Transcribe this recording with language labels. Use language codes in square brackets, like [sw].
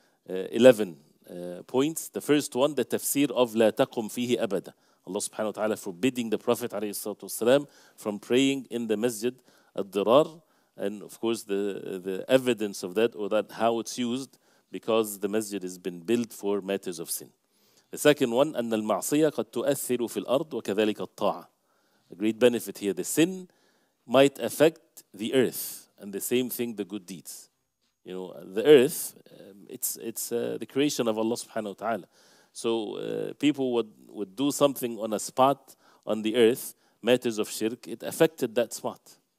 [en] 11 points. The first one, the tafsir of [ar] لا تقم فيه أبدا. [en] Allah subhanahu wa ta'ala forbidding the Prophet والسلام, from praying in the Masjid al-Dirar. And of course, the evidence of that, or that how it's used, because the Masjid has been built for matters of sin. The second one, [ar] أن المعصية قد تؤثر في الأرض وكذلك الطاعة. [en] A great benefit here. The sin might affect the earth, and the same thing, the good deeds. You know, the earth, it's the creation of Allah subhanahu wa ta'ala. So people would do something on a spot on the earth, matters of shirk, it affected that spot.